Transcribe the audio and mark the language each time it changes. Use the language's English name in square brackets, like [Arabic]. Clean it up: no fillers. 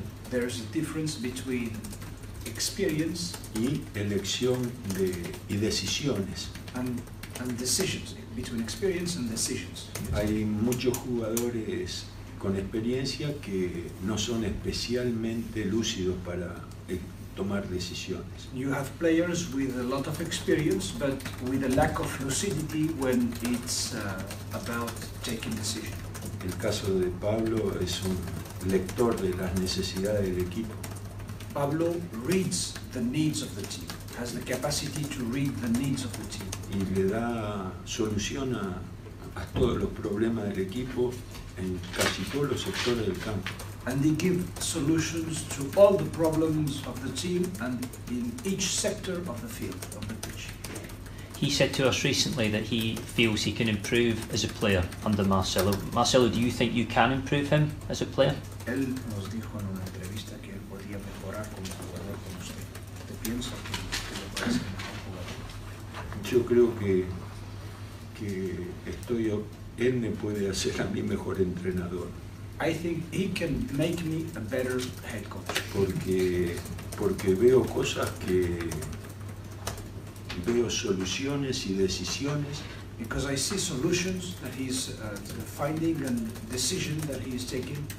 [English] There is a difference between experience [Spanish] y elección de y decisiones. [English] And decisions. Between experience and decisions. [Spanish] Hay muchos jugadores con experiencia que no son especialmente lúcidos para tomar decisiones. [English] You have players with a lot of experience, but with a lack of lucidity when it's about taking decisions. [Spanish] El caso de Pablo es un lector de las necesidades del equipo. [English] Pablo reads the needs of the team. Has the capacity to read the needs of the team. [Spanish] Y le da solución a todos los problemas del equipo en casi todos los sectores del campo. [English] And he gives solutions to all the problems of the team and in each sector of the field, of the pitch. He said to us recently that he feels he can improve as a player under Marcelo. Marcelo, do you think you can improve him as a player? [Spanish] Él nos dijo en una entrevista que él podía mejorar como jugador con usted. ¿Te piensas que? Yo creo que estoy él me puede hacer a mí mejor entrenador. [English] I think he can make me a better head coach. [Spanish] Porque veo cosas que veo soluciones y decisiones. [English] Because I see solutions that he's finding and decisions that he is taking.